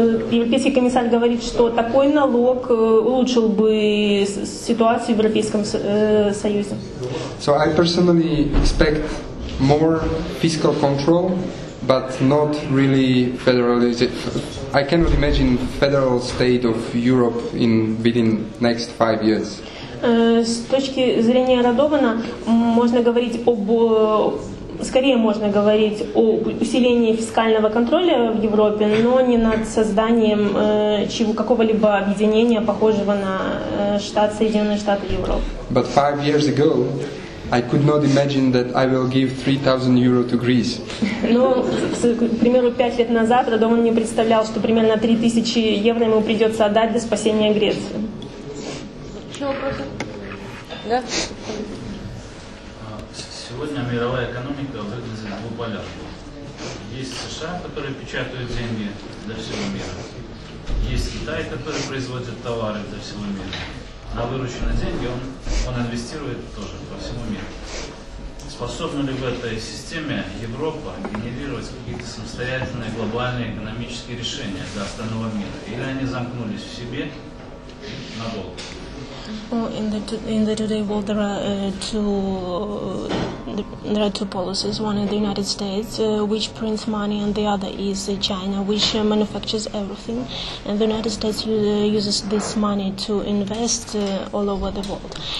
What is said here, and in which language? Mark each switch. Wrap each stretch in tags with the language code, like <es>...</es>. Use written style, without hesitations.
<ru>Европейский комиссар говорит, что такой налог улучшил бы ситуацию в Европейском Союзе.</ru> <en>So I personally expect more fiscal control, but not really federalization. I cannot imagine federal state of Europe in within next 5 years.</en> <ru>С точки зрения Радована, можно говорить об скорее можно говорить о усилении фискального контроля в Европе, но не над созданием какого-либо объединения, похожего на штат Соединенные Штаты Европы.</ru> <en>But 5 years ago, I could not imagine that I will give 3,000 euro to Greece.</en> <ru>Но, к примеру, 5 лет назад Радован не представлял, что примерно 3000 евро ему придется отдать для спасения Греции. Еще вопросы? Да? Сегодня мировая экономика выглядит на двух полях. Есть США, которые печатают деньги для всего мира. Есть Китай, который производит товары для всего мира. На вырученные деньги он инвестирует тоже по всему миру. Способна ли в этой системе Европа генерировать какие-то самостоятельные глобальные экономические решения для остального мира? Или они замкнулись в себе на голову?</ru> <en>Well, in the today world, there are two policies. One is the United States, which prints money, and the other is China, which manufactures everything. And the United States uses this money to invest all over the world.</en>